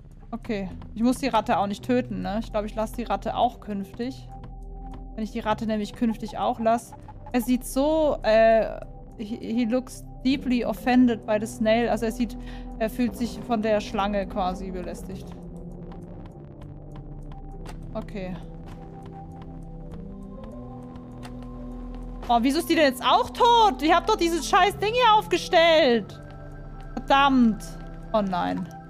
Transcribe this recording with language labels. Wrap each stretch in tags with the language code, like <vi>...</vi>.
<de>Okay. Ich muss die Ratte auch nicht töten, ne? Ich glaube, ich lasse die Ratte auch künftig. Wenn ich die Ratte nämlich künftig auch lasse... Er sieht so,</de> <en>he looks deeply offended by the snail.</en> <de>Also er sieht, er fühlt sich von der Schlange quasi belästigt. Okay. Oh, wieso ist die denn jetzt auch tot? Ich hab doch dieses scheiß Ding hier aufgestellt. Verdammt. Oh nein.</de>